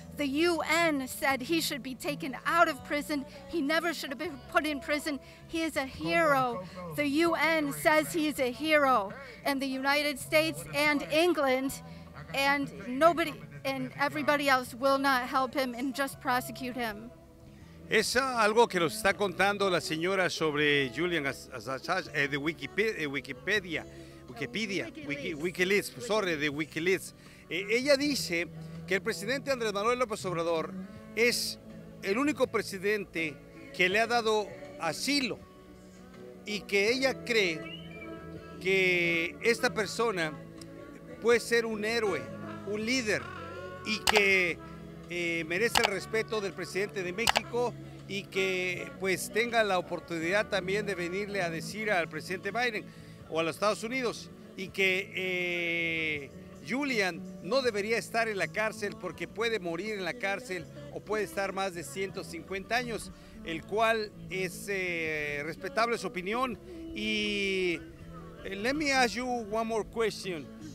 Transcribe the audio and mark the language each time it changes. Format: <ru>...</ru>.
<en>The UN said he should be taken out of prison. He never should have been put in prison. He is a hero. The UN says he is a hero. And the United States and England and nobody and everybody else will not help him and just prosecute him.</en> <es>Es algo que nos está contando la señora sobre Julian Assange de Wikileaks. Ella dice que el presidente Andrés Manuel López Obrador es el único presidente que le ha dado asilo y que ella cree que esta persona puede ser un héroe, un líder y que merece el respeto del presidente de México y que pues tenga la oportunidad también de venirle a decir al presidente Biden o a los Estados Unidos y que Julian no debería estar en la cárcel porque puede morir en la cárcel o puede estar más de 150 años, el cual es respetable su opinión.</es> <en>Y let me ask you one more question.</en>